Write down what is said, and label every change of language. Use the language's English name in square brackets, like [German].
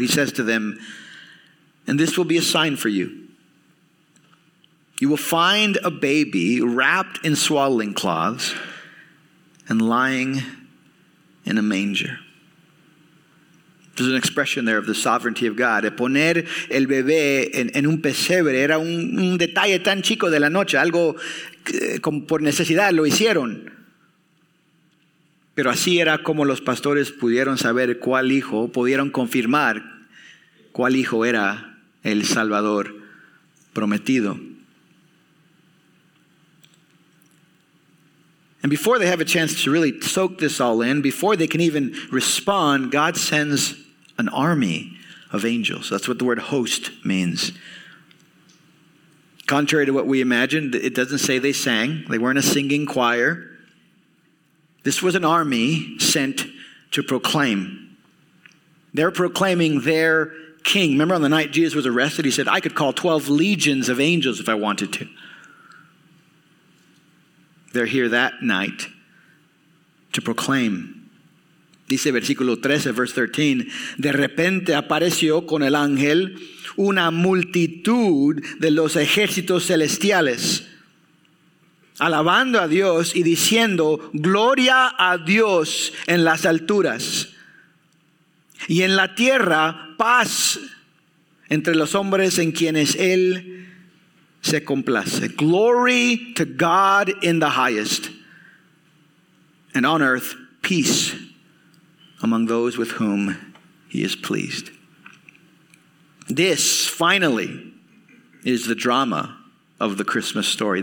[English] He says to them, and this will be a sign for you. You will find a baby wrapped in swaddling cloths and lying in a manger. There's an expression there of the sovereignty of God. [Spanish] Poner el bebé en un pesebre era un detalle tan chico de la noche, algo como por necesidad lo hicieron. Pero así era como los pastores pudieron saber cuál hijo, pudieron confirmar cuál hijo era el Salvador prometido. [English] And before they have a chance to really soak this all in, before they can even respond, God sends an army of angels. That's what the word host means. Contrary to what we imagined, it doesn't say they sang. They weren't a singing choir. This was an army sent to proclaim. They're proclaiming their king. Remember on the night Jesus was arrested, he said, I could call 12 legions of angels if I wanted to. They're here that night to proclaim. [Spanish] Dice versículo 13, [English] verse 13. [Spanish] De repente apareció con el ángel una multitud de los ejércitos celestiales, alabando a Dios y diciendo, Gloria a Dios en las alturas. Y en la tierra, paz entre los hombres en quienes él se complace. [English] Glory to God in the highest, and on earth peace among those with whom he is pleased. This finally is the drama of the Christmas story.